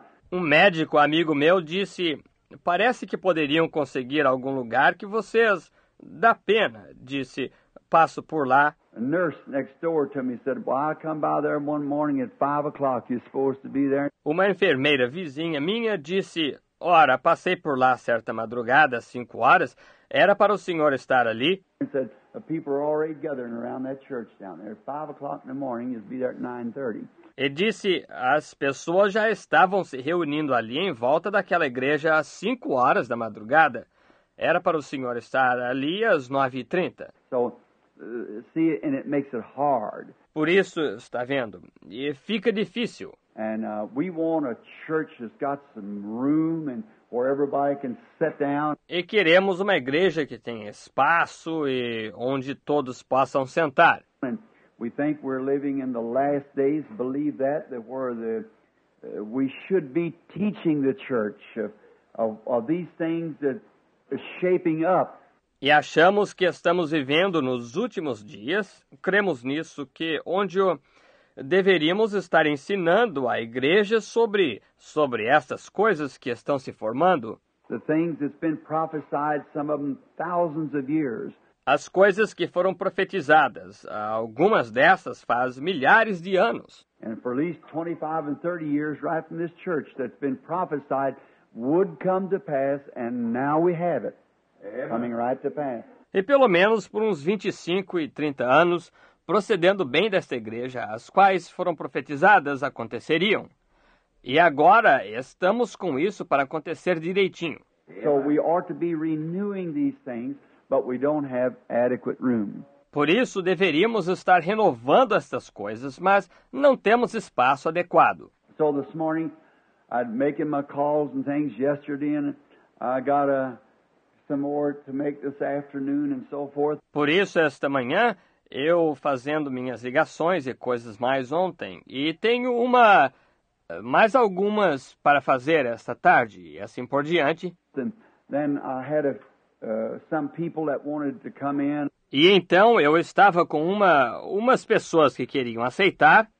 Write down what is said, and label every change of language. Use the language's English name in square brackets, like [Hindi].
[Portuguese] Um médico amigo meu disse... Parece que poderiam conseguir algum lugar que vocês... Dá pena, disse. Passo por lá. [English] A nurse next door to me said, well, I come by there one morning at 5 o'clock. You're supposed to be there. [Portuguese] Uma enfermeira vizinha minha disse, ora, passei por lá certa madrugada, às 5 horas. Era para o Senhor estar ali. [English] And said, people are already gathering around that church down there. 5 o'clock in the morning, you'll be there at 9:30. [Portuguese] E disse, as pessoas já estavam se reunindo ali em volta daquela igreja às 5 horas da madrugada. Era para o Senhor estar ali às 9:30. [English] So, see, and it makes it hard. [Portuguese] Por isso, está vendo, e fica difícil. [English] And we want a church that's got some room and where everybody can sit down. [Portuguese] E queremos uma igreja que tenha espaço e onde todos possam sentar. [English] And we think we're living in the last days, believe that where the we should be teaching the church of these things that are shaping up. [Portuguese] E achamos que estamos vivendo nos últimos dias, cremos nisso, que onde deveríamos estar ensinando a igreja sobre estas coisas que estão se formando. [English] The things that's been prophesied, some of them thousands of years. [Portuguese] As coisas que foram profetizadas, algumas dessas faz milhares de anos. [English] And for at least 25 and 30 years right from this church that's been prophesied would come to pass, and now we have it. Coming right to pass. [Portuguese] E pelo menos por uns 25 e 30 anos, procedendo bem desta igreja, as quais foram profetizadas, aconteceriam. E agora estamos com isso para acontecer direitinho. [English] So we ought to be renewing these things, but we don't have adequate room. [Portuguese] Por isso, deveríamos estar renovando estas coisas, mas não temos espaço adequado. [English] So this morning, I'd making my calls and things yesterday, and I got some more to make this afternoon and so forth. [Portuguese] Por isso, esta manhã, eu fazendo minhas ligações e coisas mais ontem, e tenho mais algumas para fazer esta tarde, e assim por diante. [English] Then I had some people that wanted to come in. [Portuguese] E então eu estava com umas pessoas que queriam aceitar.